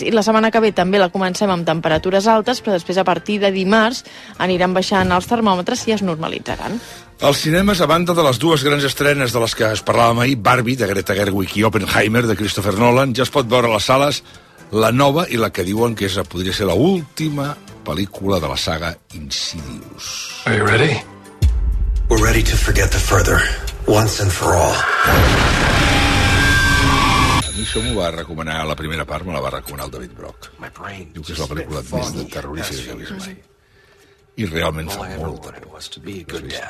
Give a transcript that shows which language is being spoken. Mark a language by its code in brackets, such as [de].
[ca] I la setmana que ve també la comencem amb temperatures altes, però després a partir de dimarts aniran baixant els termòmetres i es normalitzaran. Els cinemes, a banda de les dues grans estrenes de les que es parlàvem ahir, Barbie de Greta Gerwig i Oppenheimer de Christopher Nolan, ja es pot veure a les sales la nova i la que diuen que és, podria ser l'última pel·lícula de la saga Insidious. [en] Are you ready? We're ready to forget the further, once and for all. [ca] A mi això m'ho va recomanar la primera part, me la va recomanar el David Brock. Diu que és la pel·lícula més de terrorífica que he vist mai. I realment fa molta por.